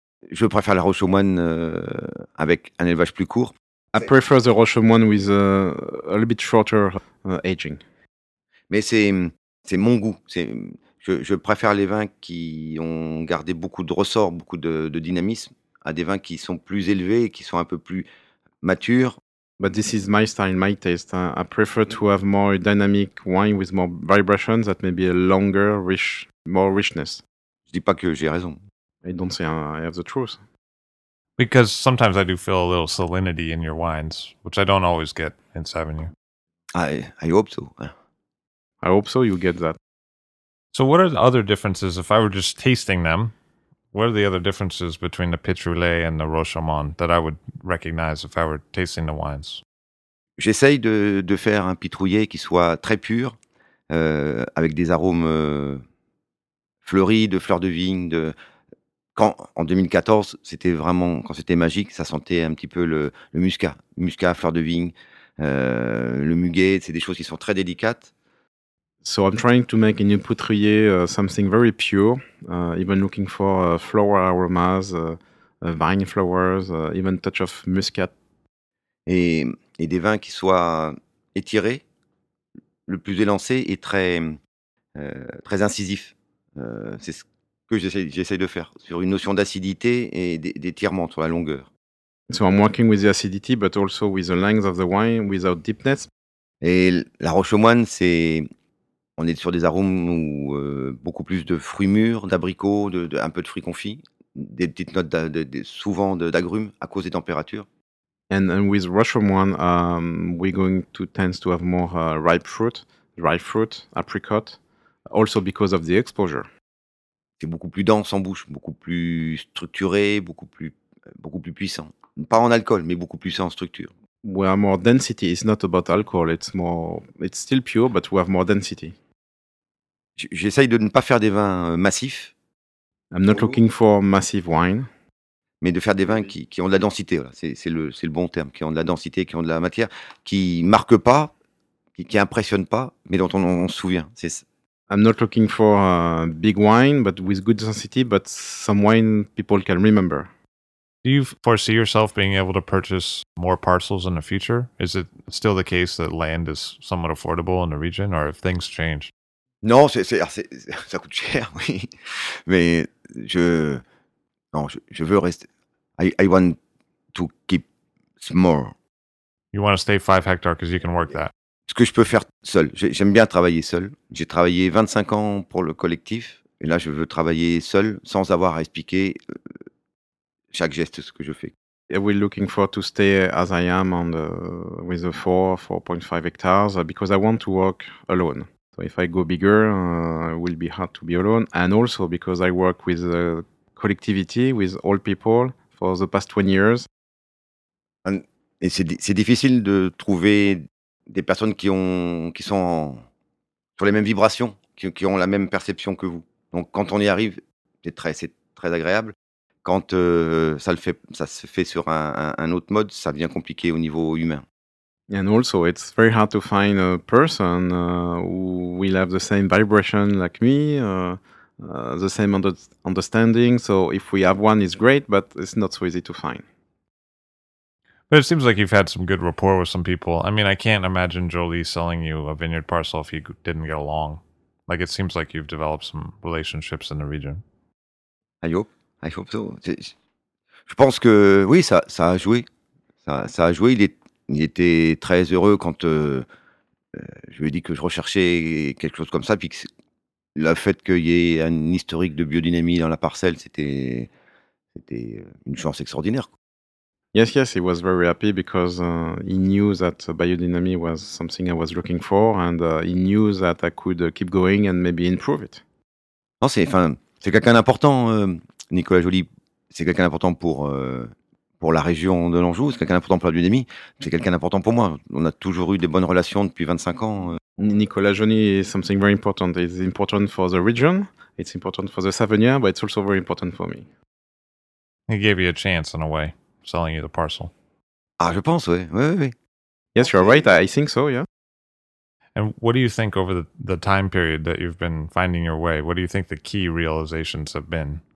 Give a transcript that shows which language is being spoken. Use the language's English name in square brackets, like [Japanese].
[French] Je préfère la Rochamont avec un élevage plus court. [English] I prefer the Rochamont with a little bit shorter aging. [French] Mais c'est mon goût. Je préfère les vins qui ont gardé beaucoup de ressort, beaucoup de dynamisme, à des vins qui sont plus élevés, qui sont un peu plus matures. [English] But this is my style, my taste. I prefer to have more dynamic wine with more vibrations that may be a longer, rich, more richness. [French] Je dis pas que j'ai raison. [English] I don't say I have the truth. Because sometimes I do feel a little salinity in your wines, which I don't always get in Sauvignon. I hope so. I hope so, you get that. So what are the other differences, if I were just tasting them, what are the other differences between the Pitrouiller and the Rochamont that I would recognize if I were tasting the wines? [French] J'essaye de faire un Pitrouiller qui soit très pur, avec des arômes fleuris, de fleurs de vigne, de... Quand, en 2014, c'était vraiment, quand c'était magique, ça sentait un petit peu le muscat, fleurs de vigne, le muguet, c'est des choses qui sont très délicates. [English] So I'm trying to make a new Pitrouiller something very pure, even looking for flower aromas, vine flowers, even touch of muscat. [French] Et des vins qui soient étirés, le plus élancé et très, très incisif, c'est ce que j'essaie de faire, sur une notion d'acidité et d'étirement sur la longueur. [English] So I'm working with the acidity, but also with the length of the wine, without deepness. [French] Et la Rochamont, c'est... On est sur des arômes où beaucoup plus de fruits mûrs, d'abricots, un peu de fruits confits, des petites notes d'agrumes à cause des températures. [English] And with Rochamont, we're going to tend to have more ripe fruit, apricot, also because of the exposure. [French] C'est beaucoup plus dense en bouche, beaucoup plus structuré, beaucoup plus puissant. Pas en alcohol, mais beaucoup plus en structure. [English] We have more density. It's not about alcohol. It's still pure, but we have more density. [French] J'essaye de ne pas faire des vins massifs. [English] I'm not looking for massive wine. [French] Mais de faire des vins qui ont de la densité. Voilà. C'est le bon terme. Qui ont de la densité, qui ont de la matière, qui marquent pas, qui impressionnent pas, mais dont on se souvient. [English] I'm not looking for a big wine, but with good density, but some wine people can remember. Do you foresee yourself being able to purchase more parcels in the future? Is it still the case that land is somewhat affordable in the region, or have things changed? [French] Non, ça coûte cher, oui. Mais je veux rester. [English] I want to keep small. You want to stay 5 hectares because you can work that. [French] Ce que je peux faire seul. J'aime bien travailler seul. J'ai travaillé 25 ans pour le collectif. Et là, je veux travailler seul sans avoir à expliquer chaque geste ce que je fais. [English] Are we looking for to stay as I am on the, with the 4.5 hectares because I want to work alone. So if I go bigger, it will be hard to be alone. And also because I work with the collectivity, with all people for the past 20 years. [French] Et c'est difficile de trouver des personnes qui sont sur les mêmes vibrations, qui ont la même perception que vous. Donc quand on y arrive, c'est très agréable. Quand ça se fait sur un autre mode, ça devient compliqué au niveau humain. [English] And also, it's very hard to find a person who will have the same vibration like me, the same understanding. So if we have one, it's great, but it's not so easy to find. But it seems like you've had some good rapport with some people. I mean, I can't imagine Jolie selling you a vineyard parcel if you didn't get along. Like, it seems like you've developed some relationships in the region. I hope so. [French] Je pense que oui, ça a joué. Ça a joué. Il était très heureux quand je lui ai dit que je recherchais quelque chose comme ça. Puis le fait qu'il y ait un historique de biodynamie dans la parcelle, c'était une chance extraordinaire. [English] Yes, he was very happy because he knew that biodynamy was something I was looking for and he knew that I could keep going and maybe improve it. [French] Non, c'est quelqu'un d'important, Nicolas Joly. C'est quelqu'un d'important pour la région de l'Anjou, c'est quelqu'un d'important pour la biodynamie, c'est quelqu'un d'important pour moi. On a toujours eu des bonnes relations depuis 25 ans. [English] Nicolas Joly is something very important. It's important for the region, it's important for the Savonnière, but it's also very important for me. He gave you a chance in a way. Selling you the parcel. [French] Ah, je pense, oui. Oui. [English] Yes, you're right. I think so, yeah. And what do you think over the time period that you've been finding your way, what do you think the key realizations have been?